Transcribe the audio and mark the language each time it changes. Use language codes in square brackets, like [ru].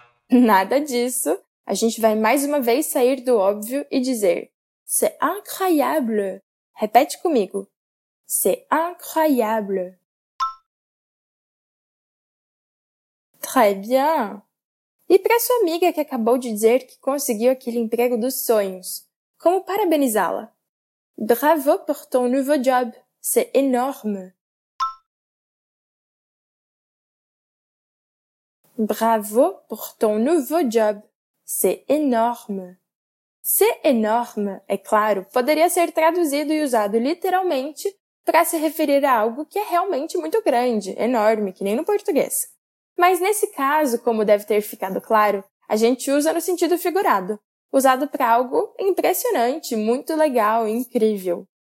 [pt] Nada disso. A gente vai mais uma vez sair do óbvio e dizer [fr] c'est incroyable. [pt] Repete comigo. [fr] C'est incroyable. Très bien. [pt] E para sua amiga que acabou de dizer que conseguiu aquele emprego dos sonhos? Como parabenizá-la? [fr] Bravo pour ton nouveau job, c'est énorme. Bravo pour ton nouveau job, c'est énorme. C'est énorme, [pt] é claro, poderia ser traduzido e usado literalmente para se referir a algo que é realmente muito grande, enorme, que nem no português. Mas nesse caso, como deve ter ficado claro, a gente usa no sentido figurado. Usado para algo impressionante, muito legal, incrível.